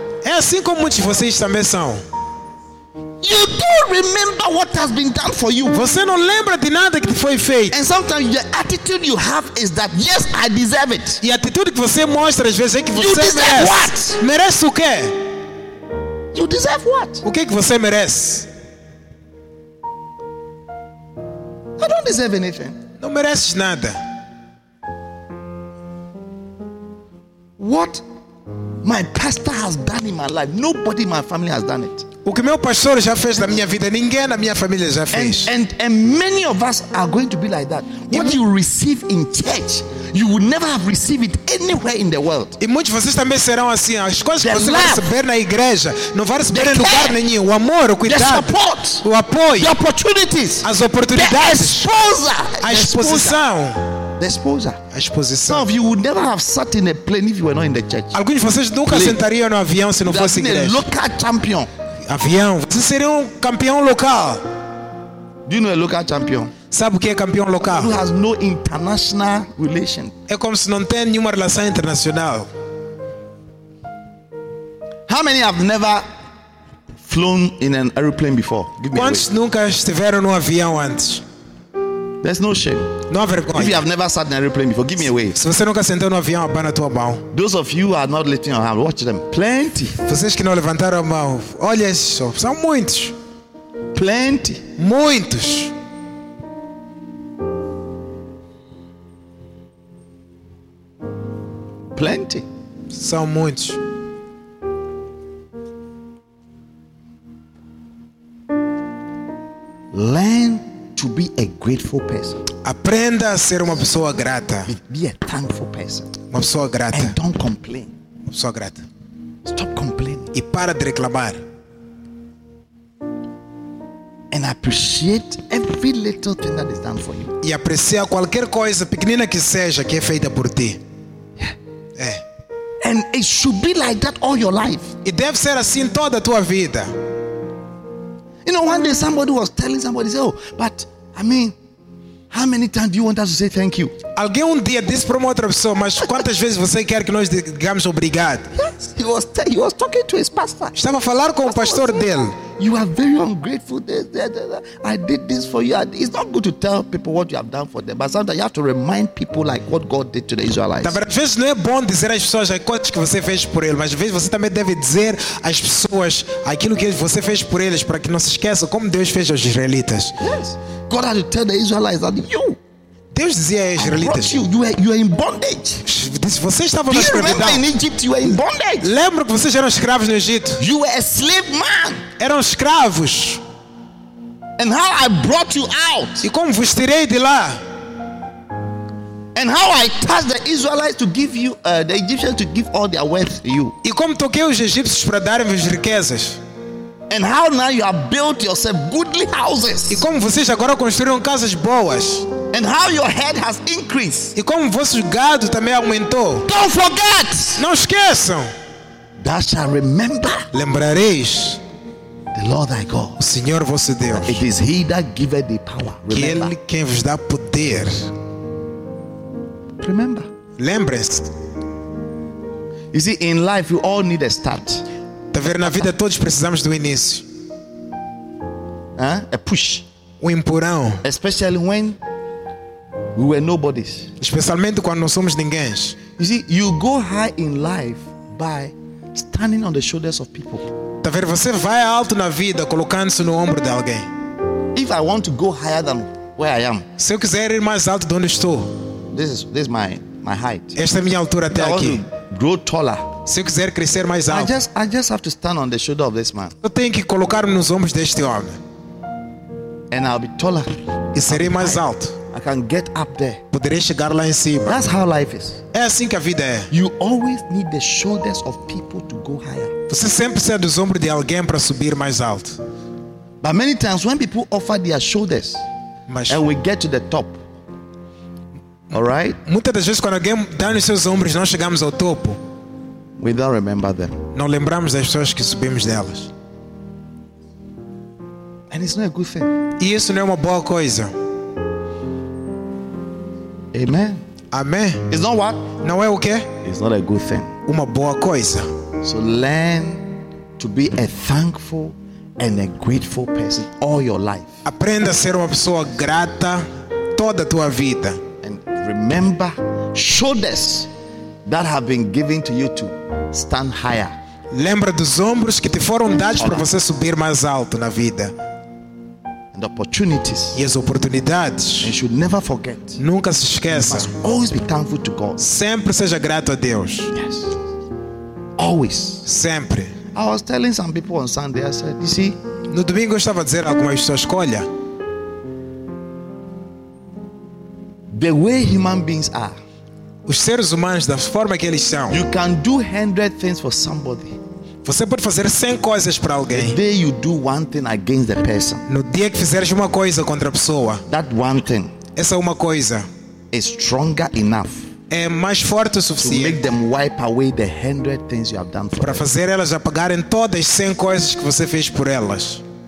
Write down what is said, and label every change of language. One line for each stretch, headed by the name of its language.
Portuguese: É assim como muitos de vocês também são.
English: You don't remember what has been done for you.
Portuguese: Você não lembra de nada que foi feito.
English: And sometimes the attitude you have is that yes, I deserve it.
Portuguese: E a atitude que você mostra às vezes é que você
English: you deserve
Portuguese: merece.
English: What?
Portuguese: Merece o quê?
English: You deserve what?
Portuguese: O que você merece?
English: I don't deserve anything.
Portuguese: Não mereces nada.
English: What my pastor has done in my life, nobody in my family has done it.
Portuguese: O que meu pastor já fez na minha vida, ninguém na minha família já fez.
English: And many of us are going to be like that. What you receive in church, you will never have received it anywhere in the world.
Portuguese: E muitos de vocês também serão assim. As coisas
English: the
Portuguese: que você vai receber na igreja, não vai receber em lugar
English: care,
Portuguese: nenhum. O amor, o cuidado,
English: the support,
Portuguese: o apoio,
English: the opportunities,
Portuguese: as oportunidades,
English: the exposure,
Portuguese: a exposição.
English: The exposure.
Portuguese: A exposição.
English: Some of you would never have sat in a plane if you were not in the church.
Portuguese: Alguns de vocês nunca sentariam no avião se não fosse igreja.
English: A local champion.
Portuguese: Avião, você seria campeão local.
English: Do you know a local champion?
Portuguese: Sabe o que é campeão local?
English: Who has no international relation.
Portuguese: É como se não tem nenhuma relação internacional.
English: How many have never flown in an aeroplane before? Give me
Portuguese: quantos nunca estiveram num avião antes?
English: There's no shame.
Portuguese: Não há vergonha.
English: If you have never sat in an aeroplane before, give me away.
Portuguese: Se você nunca sentou num avião, abana tua mão.
English: Those of you who are not lifting your hand, watch them. Plenty.
Portuguese: Vocês que não levantaram a mão, olha só, são muitos.
English: plenty.
Portuguese: Muitos.
English: Plenty.
Portuguese: São muitos.
English: Learn to be a grateful person.
Portuguese: Aprenda a ser uma pessoa grata.
English: Be a thankful person.
Portuguese: Uma pessoa grata.
English: And don't complain.
Portuguese: Uma pessoa grata.
English: Stop complaining.
Portuguese: E para de reclamar.
English: And appreciate every little thing that is done for you.
Portuguese: E aprecia qualquer coisa pequenina que seja que é feita por ti.
English: Yeah.
Portuguese: É.
English: And it should be like that all your life.
Portuguese: E deve ser assim toda a tua vida.
English: You know, one day somebody was telling somebody, say, "Oh, but I mean, how many times do you want us to say thank you?"
Portuguese: Alguém dia disse para uma outra pessoa, mas quantas vezes você quer que nós digamos obrigado?
English: Yes, he was talking to his pastor.
Portuguese: Estava a falar com o pastor dele.
English: You are very ungrateful. I did this for you. It's not good to tell people what you have done for them, but sometimes you have to remind people like what God did to the Israelites.
Portuguese: Às vezes não é bom dizer às pessoas as coisas que você fez por eles, mas às vezes você também deve dizer às pessoas aquilo que você fez por eles para que não se esqueça como Deus fez aos israelitas.
English: Yes. God had to tell the Israelites that you.
Portuguese: Deus dizia aos israelitas.
English: You are in bondage.
Portuguese: Você estava na escravidão.
English: In Egypt, you were in bondage.
Portuguese: Lembra que vocês eram escravos no Egito?
English: You were a slave man.
Portuguese: Eram escravos.
English: And how I brought you out.
Portuguese: E como vos tirei de lá?
English: And how I touched the Israelites to give you the Egyptians to give all their wealth to you.
Portuguese: E como toquei os egípcios para darem-vos riquezas?
English: And how now you have built yourself goodly houses.
Portuguese: E como vocês agora construíram casas boas?
English: And how your head has increased.
Portuguese: E como vosso gado também aumentou?
English: Don't forget.
Portuguese: Não esqueçam.
English: Thou shalt remember.
Portuguese: Lembrareis.
English: The Lord thy God.
Portuguese: O Senhor vosso Deus.
English: It is He that giveth the power.
Portuguese: Que ele quem vos dá poder.
English: Remember.
Portuguese: Lembre-se.
English: You see, in life you all need a start.
Portuguese: Tá ver, na vida todos precisamos do início.
English: Huh? A push.
Portuguese: Um empurrão.
English: Especially when we were nobodies.
Portuguese: Especialmente quando não somos ninguém.
English: You see, you go high in life by standing on the shoulders of people.
Portuguese: Tá ver, você vai alto na vida colocando-se no ombro de alguém.
English: If I want to go higher than where I am.
Portuguese: Se eu quiser ir mais alto de onde estou.
English: This is my height.
Portuguese: Esta é minha altura até aqui.
English: Grow taller.
Portuguese: Se eu quiser crescer mais alto.
English: I just have to stand on the shoulder of this man.
Portuguese: Eu tenho que colocar-me nos ombros deste homem.
English: And I'll be taller.
Portuguese: E serei mais alto.
English: I can get up there.
Portuguese: Poderei chegar lá em cima.
English: That's how life is.
Portuguese: É assim que a vida é.
English: You always need the shoulders of people to go higher.
Portuguese: Você sempre precisa dos ombros de alguém para subir mais alto.
English: But many times when people offer their shoulders,
Portuguese: mas,
English: and we get to the top. All right?
Portuguese: Muitas das vezes quando alguém dá nos seus ombros, nós chegamos ao topo.
English: We don't remember them.
Portuguese: Não lembramos das pessoas que subimos delas.
English: And it's not a good thing.
Portuguese: E isso não é uma boa coisa.
English: Amen.
Portuguese: Amen.
English: It's not what?
Portuguese: Não é o quê?
English: It's not a good thing.
Portuguese: Uma boa coisa.
English: So learn to be a thankful and a grateful person all your life.
Portuguese: Aprenda a ser uma pessoa grata toda a tua vida.
English: And remember shoulders that have been given to you to stand higher.
Portuguese: Lembra dos ombros que te foram dados para você subir mais alto na vida.
English: And opportunities.
Portuguese: E as oportunidades.
English: And you should never forget.
Portuguese: Nunca se esqueça.
English: You must always be thankful to God.
Portuguese: Sempre seja grato a Deus.
English: Yes. Always.
Portuguese: Sempre.
English: I was telling some people on Sunday, I said, you see,
Portuguese: no domingo eu estava a dizer a algumas pessoas, olha,
English: the way human beings are.
Portuguese: Os seres humanos da forma que eles são.
English: You can do 100 things for somebody.
Portuguese: Você pode fazer 100 coisas para alguém.
English: The day you do one thing against the person.
Portuguese: No dia que fizeres uma coisa contra a pessoa.
English: That one thing.
Portuguese: Essa uma coisa.
English: Is stronger enough.
Portuguese: É mais forte o suficiente.
English: To make them wipe away the 100 things you have done for.
Portuguese: Para fazer elas apagarem todas as 100 coisas que você fez por elas.